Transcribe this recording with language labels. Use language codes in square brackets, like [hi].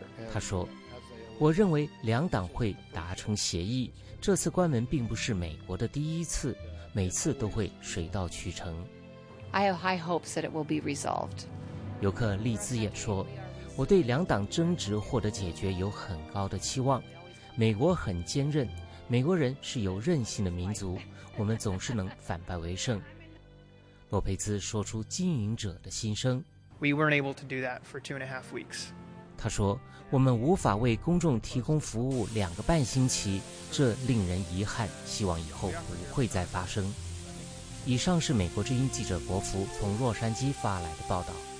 [zh] 他说，我认为两党会达成协议，这次关门并不是美国的第一次，每次都会水到渠成。 [en] I have high hopes that it will be resolved. [zh] 尤克利兹也说，我对两党争执获得解决有很高的期望。美国很坚韧，美国人是有韧性的民族，我们总是能反败为胜。洛佩兹说出经营者的心声。 [en] We weren't able to do that for 2.5 weeks. [zh] 他说，我们无法为公众提供服务2.5星期，这令人遗憾，希望以后不会再发生。以上是美国之音记者国福从洛杉矶发来的报道。